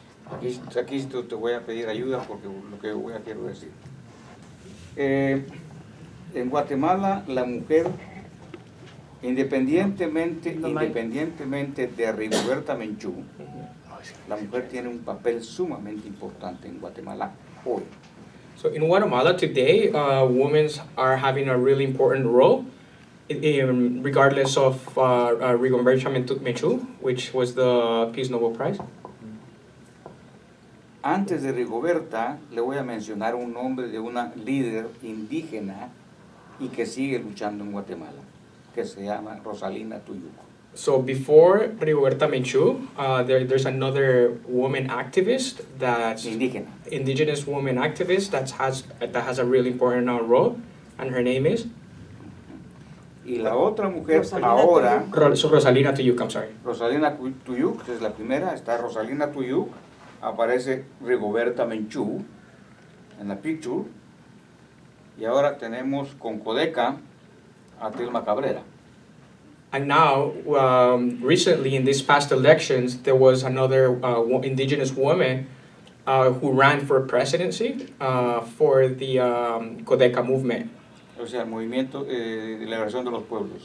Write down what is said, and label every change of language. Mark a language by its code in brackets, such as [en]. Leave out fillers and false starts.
[es] Aquí te voy a pedir ayuda porque lo que voy a quiero decir. En Guatemala, la mujer, independientemente de Rigoberta Menchú, la mujer tiene un papel sumamente importante en Guatemala hoy. [en] So in Guatemala today, women are having a really important role, regardless of Rigoberta Menchú, which was the Peace Nobel Prize. [es] Antes de Rigoberta, le voy a mencionar un nombre de una líder indígena y que sigue luchando en Guatemala, que se llama Rosalina Tuyuco. [en] So before Rigoberta Menchú, there's another woman activist that's [es] indígena. [en] Indigenous woman activist that has a really important role, and her name is? [es] Y la otra mujer ahora, [en] Rosalina Tuyuc, I'm sorry. [es] Rosalina Tuyuc, es la primera, está Rosalina Tuyuc, aparece Rigoberta Menchú en la picture, y ahora tenemos con Codeca a Tilma Cabrera. [en] And now, recently in these past elections, there was another indigenous woman who ran for presidency for the Codeca movement. [es] O sea, el movimiento de liberación de los pueblos.